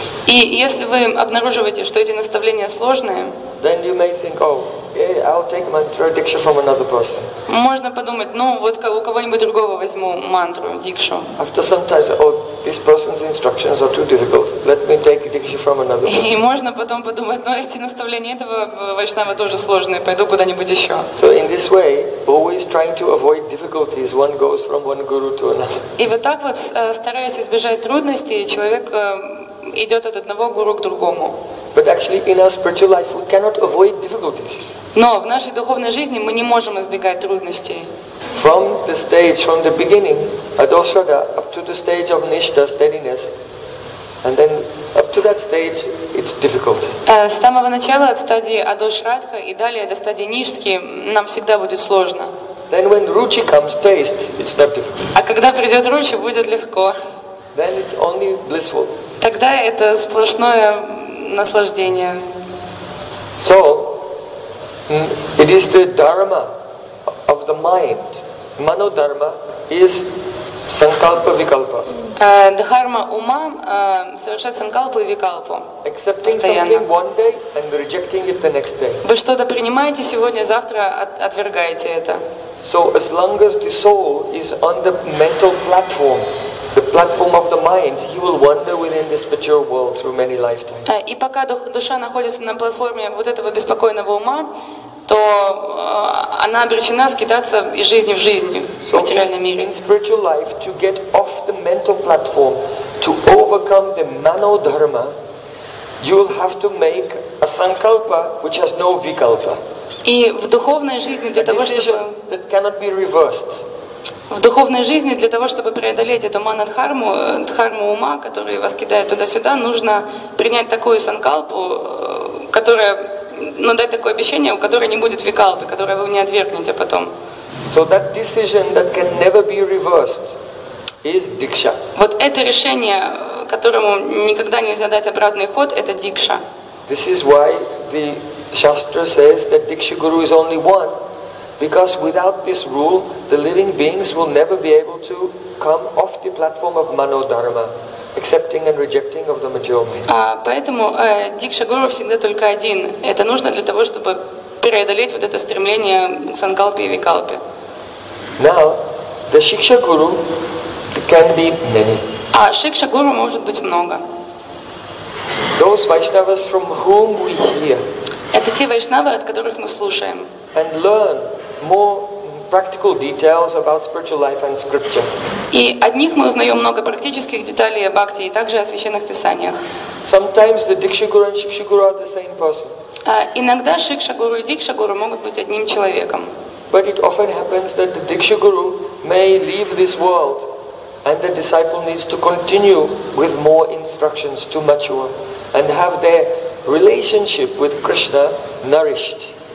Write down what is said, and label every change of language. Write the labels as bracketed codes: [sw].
[ru] и если вы обнаруживаете, что эти наставления сложные, [en] then you may think, oh, yeah, I'll take mantra Diksha from another person. [ru] Можно подумать, ну вот у кого-нибудь другого возьму мантру Дикшу. [en] After some time, oh, this person's instructions are too difficult. Let me take Diksha from another person. [ru] И можно потом подумать, ну эти наставления этого вайшнава тоже сложные, пойду куда-нибудь еще. [en] So in this way, always trying to avoid difficulties, one goes from one guru to another. [ru] И вот так вот, стараясь избежать трудностей, человек идет от одного гуру к другому. [en] But actually, in our spiritual life, we cannot avoid difficulties. [ru] Но в нашей духовной жизни мы не можем избегать трудностей. [en] From the stage, from the beginning, adoshada, up to the stage of nishta, steadiness, And then up to that stage, it's difficult. [ru] С самого начала, от стадии Адошрадха и далее до стадии Ништхи, нам всегда будет сложно. [en] Then when Ruchi comes taste, it's not difficult. [ru] А когда придет Ruchi, будет легко. [en] Then it's only blissful. [ru] Тогда это сплошное наслаждение. [en] So, it is the dharma of the mind. Manodharma is sankalpa vikalpa. [ru] Дхарма ума совершать санкалпу и викалпу. [en] Accepting something one day and rejecting it the next day. [ru] Вы что-то принимаете сегодня, завтра отвергаете это. [en] So as long as the soul is on the mental platform, the platform of the mind, he will wander within this mature world through many lifetimes. [ru] И пока душа находится на платформе вот этого беспокойного ума, то она обречена скитаться из жизни в жизнь в материальном мире. [en] In spiritual life, to get off the mental platform, to overcome the manodharma, you will have to make a sankalpa which has no vikalpa. [ru] И в духовной жизни для того, чтобы [en] that cannot be reversed. [ru] В духовной жизни для того, чтобы преодолеть эту манадхарму, дхарму ума, который вас кидает туда-сюда, нужно принять такую санкалпу, которая, ну, дать такое обещание, у которой не будет викалпы, которое вы не отвергнете потом. [en] So that decision that can never be reversed is diksha. [ru] Вот это решение, которому никогда нельзя дать обратный ход, это дикша. [en] This is why the shastra says that diksha guru is only one. Because without this rule, the living beings will never be able to come off the platform of manodharma, accepting and rejecting of the material mind. [ru] Поэтому дикша гуру всегда только один. Это нужно для того, чтобы преодолеть вот это стремление к санкалпе и викалпе. [en] Now, the shiksha guru can be many. [ru] А шикша гуру может быть много. [en] Those Vaishnavas from whom we hear. [ru] Это те вайшнавы, от которых мы слушаем. [en] And learn more practical details about spiritual life and scripture. [ru] И от них мы узнаем много практических деталей о бхакти и также о священных писаниях. [en] Sometimes the diksha guru and shiksha guru are the same person. [ru] Иногда шикша гуру и дикша гуру могут быть одним человеком. [en] But it often happens that the diksha guru may leave this world, and the disciple needs to continue with more instructions to mature and have their relationship with Krishna nourished.